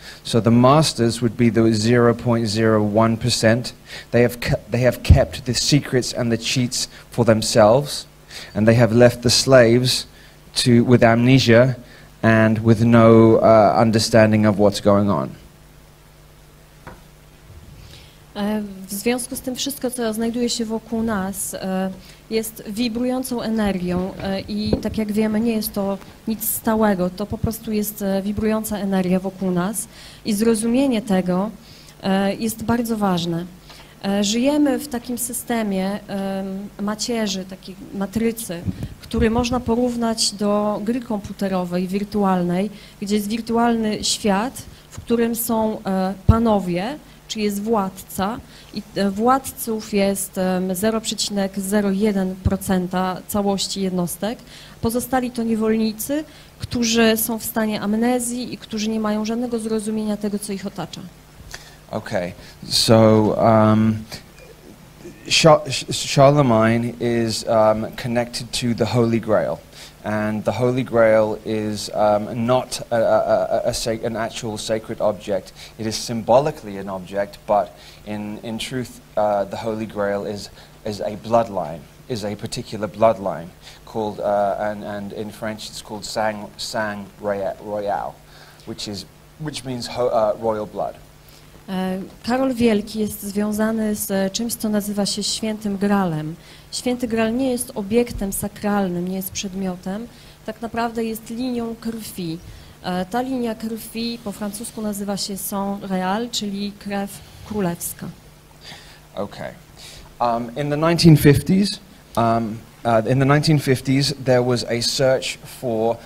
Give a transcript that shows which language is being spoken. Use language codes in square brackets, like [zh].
[en] So the masters would be the 0.01%. They have kept the secrets and the cheats for themselves. And they have left the slaves with amnesia and with no understanding of what's going on. [pl] W związku z tym wszystko, co znajduje się wokół nas, jest wibrującą energią i tak jak wiemy, nie jest to nic stałego, to po prostu jest wibrująca energia wokół nas i zrozumienie tego jest bardzo ważne. Żyjemy w takim systemie macierzy, takiej matrycy, który można porównać do gry komputerowej, wirtualnej, gdzie jest wirtualny świat, w którym są panowie, czy jest władca i władców jest 0,01% całości jednostek. Pozostali to niewolnicy, którzy są w stanie amnezji i którzy nie mają żadnego zrozumienia tego, co ich otacza. [en] Okay, so Charlemagne is connected to the Holy Grail, and the Holy Grail is not an actual sacred object. It is symbolically an object, but in truth, the Holy Grail is a bloodline, is a particular bloodline called and in French it's called [fr] sang royal, [en] which means royal blood. [pl] Karol Wielki jest związany z czymś, co nazywa się Świętym Graalem. Święty Graal nie jest obiektem sakralnym, nie jest przedmiotem, tak naprawdę jest linią krwi. Ta linia krwi po francusku nazywa się [fr] sang royal, [pl] czyli krew królewska. [en] Okay. In the 1950s, in the 1950s, there was a search for.